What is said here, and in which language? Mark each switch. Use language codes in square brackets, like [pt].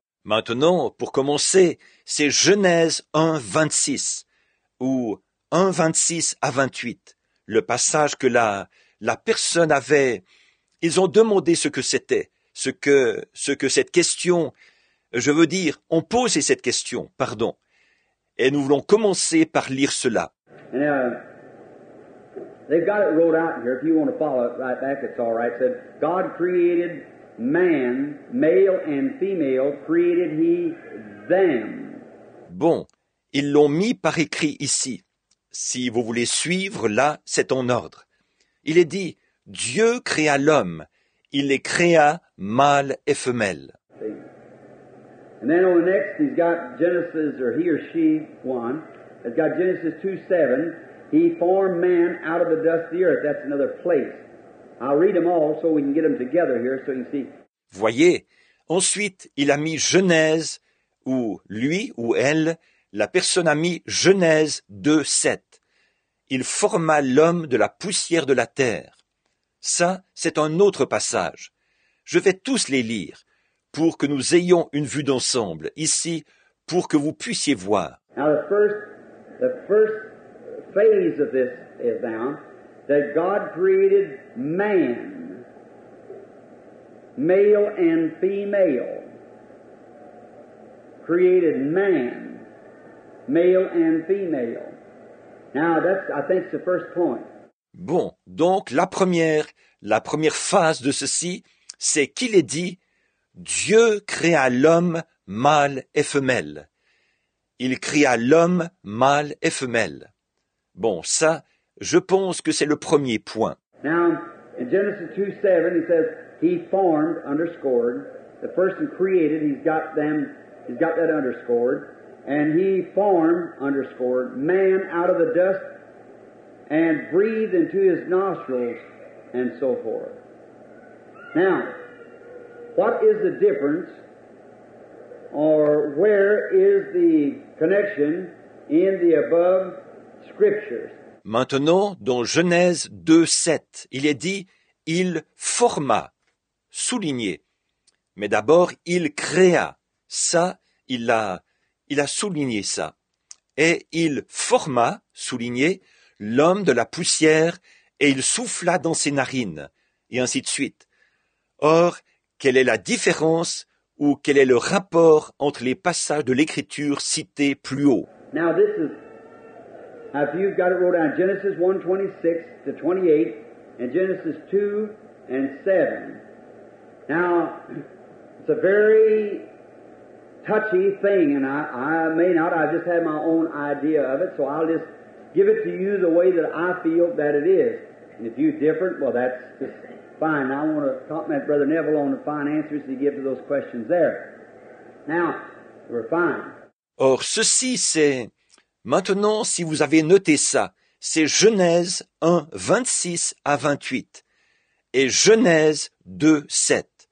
[fr] Maintenant, pour commencer, c'est Genèse 1:26, ou 1:26-28, le passage que la personne avait. Ils ont demandé ce que c'était, ce que cette question, je veux dire, on posait cette question, pardon. Et nous voulons commencer par lire cela. [en] They've got it wrote out here, if you want to follow it right back, it's all right. It said, God created man, male and female, created he them. [fr] Bon, ils l'ont mis par écrit ici. Si vous voulez suivre, là, c'est en ordre. Il est dit, Dieu créa l'homme, il les créa mâle et femelle. [en] And then on the next, he's got Genesis, or he or she, one, has got Genesis 2:7. He formed man out of the dust of the earth. That's another place. I'll read them all so we can get them together here so you can see. [fr] Voyez, ensuite, il a mis Genèse, ou lui ou elle, la personne a mis Genèse 2:7. Il forma l'homme de la poussière de la terre. Ça, c'est un autre passage. Je vais tous les lire pour que nous ayons une vue d'ensemble ici, pour que vous puissiez voir. [en] Now the first phase of this is now that God created man, male and female. Created man, male and female. Now that's, I think, the first point. [fr] Bon, donc la première phase de ceci, c'est qu'il est dit Dieu créa l'homme, mâle et femelle. Il créa l'homme, mâle et femelle. Bon, ça, je pense que c'est le premier point. [en] Now, in Genesis 2:7, he says, he formed, underscored, the person created, he's got that underscored, and he formed, underscored, man out of the dust and breathed into his nostrils, and so forth. Now, what is the difference, or where is the connection in the above scriptures? [fr] Maintenant, dans Genèse 2:7, il est dit « Il forma », souligné. Mais d'abord, « Il créa ». Ça, il a souligné ça. Et « Il forma », souligné, « l'homme de la poussière, et il souffla dans ses narines », et ainsi de suite. Or, quelle est la différence ou quel est le rapport entre les passages de l'Écriture cités plus haut? [en] Now this is, if you've got it wrote down, Genesis 1:26-28 and Genesis 2:7. Now, it's a very touchy thing, and I just have my own idea of it, so I'll just give it to you the way that I feel that it is. And if you're different, well, that's just fine. Now, I want to compliment Brother Neville on the fine answers he gives to those questions there. Now, we're fine. [fr] Or, ceci, c'est... Maintenant, si vous avez noté ça, c'est Genèse 1:26-28 et Genèse 2:7.